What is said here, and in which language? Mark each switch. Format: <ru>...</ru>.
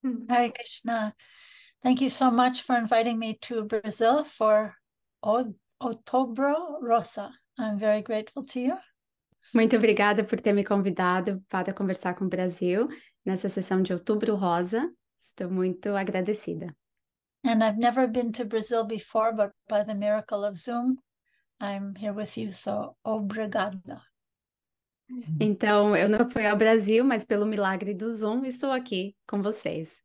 <en>Hi, Krishna. Thank you so much for inviting me to Brazil for Outubro Rosa. I'm very grateful to you.</en> <pt>Muito obrigada por ter me convidado para conversar com o Brasil nessa sessão de Outubro Rosa. Estou muito agradecida.</pt> <en>And I've never been to Brazil before, but by the miracle of Zoom, I'm here with you. So, obrigada.</en> <pt>Então, eu não fui ao Brasil, mas pelo milagre do Zoom, estou aqui com vocês.</pt>